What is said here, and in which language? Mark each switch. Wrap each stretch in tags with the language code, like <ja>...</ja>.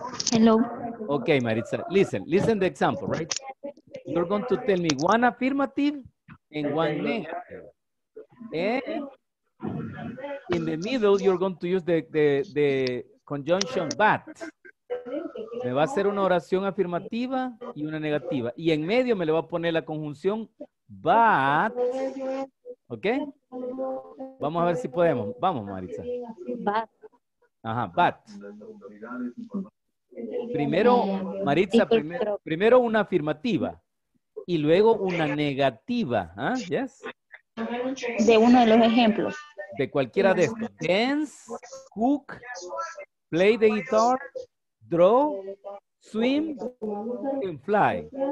<en>Hello. Okay, Maritza, listen. Listen to the example, right? You're going to tell me one affirmative and one negative. And in the middle, you're going to use the conjunction but.</en> <es>Me va a hacer una oración afirmativa y una negativa. Y en medio me le va a poner la conjunción but. ¿Ok? Vamos a ver si podemos. Vamos, Maritza.</es> <en>But.</en> <es>Ajá, but. Primero, Maritza, primero una afirmativa y luego una negativa.</es> <en>¿Ah? ¿Yes?</en> <es>De uno de los ejemplos. De cualquiera de estos.</es> <en>Dance, cook, play the guitar, draw, swim, and fly.</en>